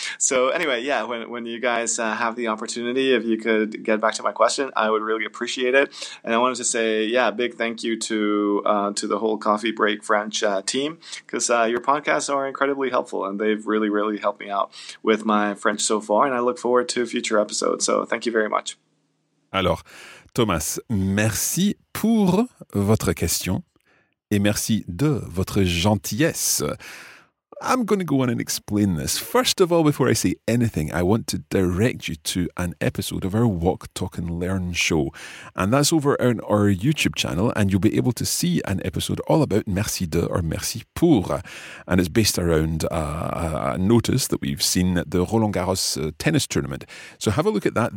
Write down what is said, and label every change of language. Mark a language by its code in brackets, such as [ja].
[en] So anyway, yeah, when you guys have the opportunity, if you could get back to my question, I would really appreciate it. And I wanted to say, yeah, big thank you to the whole Coffee Break French team, because your podcasts are incredibly helpful and they've really, really helped me out with my French so far. And I look forward to future episodes. So thank you very much. [fr] Alors, Thomas, merci pour votre question et merci de votre gentillesse. [en] I'm going to go on and explain this. First of all, before I say anything, I want to direct you to an episode of our Walk, Talk and Learn show. And that's over on our YouTube channel, and you'll be able to see an episode all about merci de or merci pour. And it's based around a notice that we've seen at the Roland Garros tennis tournament. So have a look at that.